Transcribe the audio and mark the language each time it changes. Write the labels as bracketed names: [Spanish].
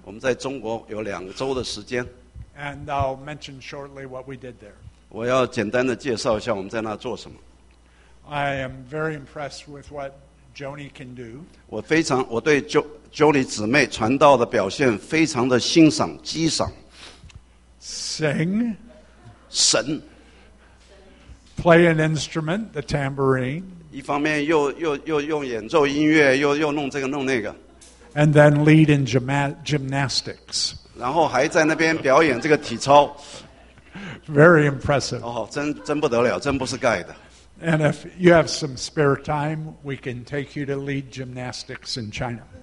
[Chinese] 我们在中国有2周的时间. [English] And I'll mention shortly what we did there. [Chinese] 我要简单的介绍一下我们在那做什么. [English] I am very impressed with what Joni can do. [Chinese] 我对 Joni姊妹 传道的表现非常的欣赏, 激赏. [English] Sing. [Chinese] 神. [English] Play an instrument, the tambourine. [Chinese] 一方面又用演奏音乐，又弄这个弄那个。 [English] And then lead in gymnastics. [Chinese] 然后还在那边表演这个体操。 [English] Very impressive. [Chinese] 哦，真不得了，真不是盖的。 [English] And if you have some spare time, we can take you to lead gymnastics in China.